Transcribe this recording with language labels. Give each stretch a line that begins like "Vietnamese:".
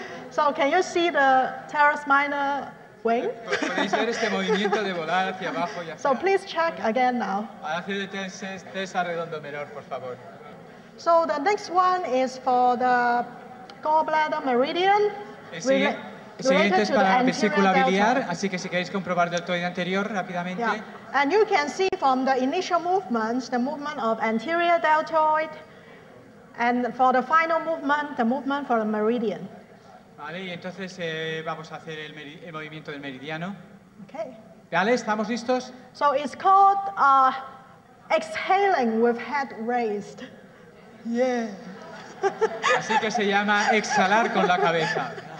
English: So can you see the teres minor wing?
Spanish: ¿Podéis ver este movimiento de volar hacia abajo y hacia?
English: So please check again now.
Spanish: Hacer el test arredondo menor, por favor.
English: So the next one is for the gallbladder meridian.
Spanish: El siguiente es para la vesícula biliar, así que si queréis comprobar deltoide anterior rápidamente.
English: Yeah. And you can see from the initial movements, the movement of anterior deltoid, and for the final movement, the movement for the meridian.
Spanish: Vale, y entonces vamos a hacer el movimiento del meridiano.
English: Okay.
Spanish: ¿Vale? ¿Estamos listos?
English: So it's called exhaling with head raised. Yeah.
Spanish: Así que se llama exhalar con la cabeza.